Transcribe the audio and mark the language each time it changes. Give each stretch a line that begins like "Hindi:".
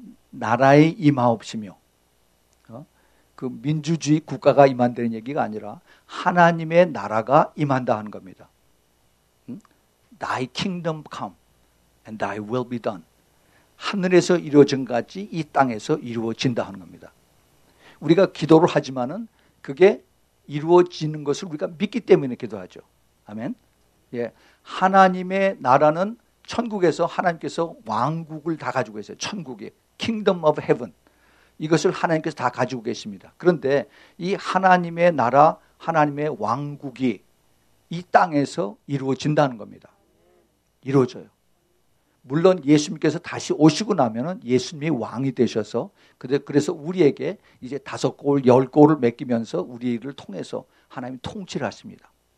Korean: 나라의 임하옵시며, 그 민주주의 국가가 임한다는 얘기가 아니라 하나님의 나라가 임한다 하는 겁니다. 응?
English: Thy kingdom come and thy will be done.
Korean: 하늘에서 이루어진 같이 이 땅에서 이루어진다 하는 겁니다. 우리가 기도를 하지만은 그게 이루어지는 것을 우리가 믿기 때문에 기도하죠. 아멘. 예. 하나님의 나라는 천국에서 하나님께서 왕국을 다 가지고 계세요.
English: 천국의 kingdom of heaven.
Korean: 이것을 하나님께서 다 가지고 계십니다. 그런데 이 하나님의 나라, 하나님의 왕국이 이 땅에서 이루어진다는 겁니다. 이루어져요. 물론 예수님께서 다시 오시고 나면은 예수님이 왕이 되셔서 그래서 우리에게 이제 다섯 골, 열 골을 맡기면서 우리를 통해서 하나님이 통치를 하십니다.